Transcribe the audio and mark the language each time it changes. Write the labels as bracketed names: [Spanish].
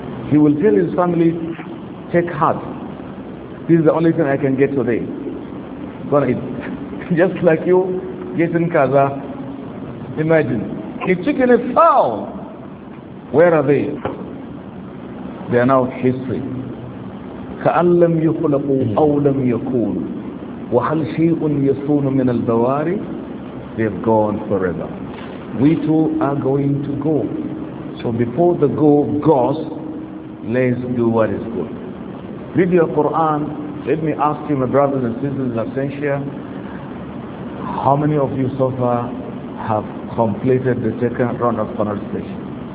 [English] He will tell his family, take heart. This is the only thing I can get today. Gonna eat. Just like you, getting kaza. Imagine, a chicken is foul. Where are they? They are now history. [Arabic] كأن لم يخلقوا أو لم يكونوا وهل شيء يصون من البواري. [English] They've gone forever. We too are going to go. So before the go goes, let's do what is good. Read your Quran. Let me ask you, my brothers and sisters in absentia, how many of you so far have completed the second round of Quran recitation?